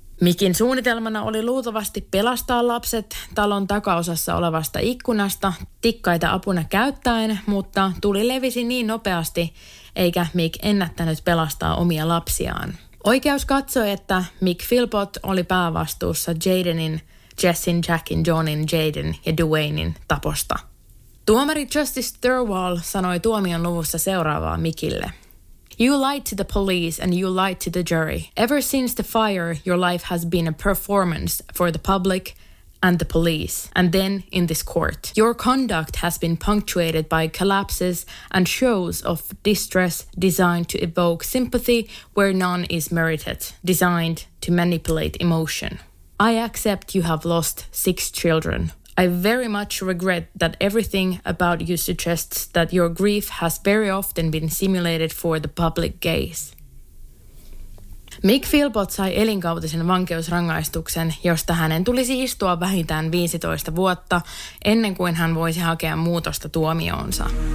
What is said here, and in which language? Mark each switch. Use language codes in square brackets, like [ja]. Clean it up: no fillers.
[fi] Mickin suunnitelmana oli luultavasti pelastaa lapset talon takaosassa olevasta ikkunasta tikkaita apuna käyttäen, mutta tuli levisi niin nopeasti, eikä Mick ennättänyt pelastaa omia lapsiaan. Oikeus katsoi, että Mick Philpott oli päävastuussa Jadenin, Jessin, Jackin, Johnin, Jaden ja Dwaynein taposta. Tuomari Justice Thirlwall sanoi tuomion luvussa seuraavaa Mickille. [en] You lied to the police and you lied to the jury. Ever since the fire, your life has been a performance for the public and the police, and then in this court. Your conduct has been punctuated by collapses and shows of distress designed to evoke sympathy where none is merited, designed to manipulate emotion. I accept you have lost 6 children. I very much regret that everything about you suggests that your grief has very often been simulated for the public gaze. [fi] Mick Philpott sai elinkautisen vankeusrangaistuksen, josta hänen tulisi istua vähintään 15 vuotta ennen kuin hän voisi hakea muutosta tuomioonsa.